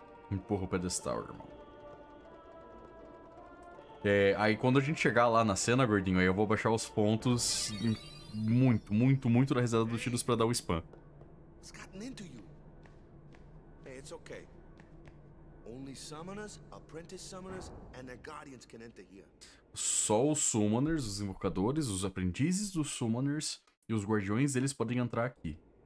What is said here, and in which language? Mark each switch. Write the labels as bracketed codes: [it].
[pt] Empurra o pedestal, irmão. Aí quando a gente chegar lá na cena, gordinho, aí eu vou baixar os pontos muito, muito, muito da reseta dos tiros pra dar o spam. [en] It's gotten into you. Hey, it's okay. Only summoners, apprentice summoners, and their guardians can enter here. [pt] Só os summoners, os invocadores, os aprendizes dos summoners e os guardiões deles podem entrar aqui.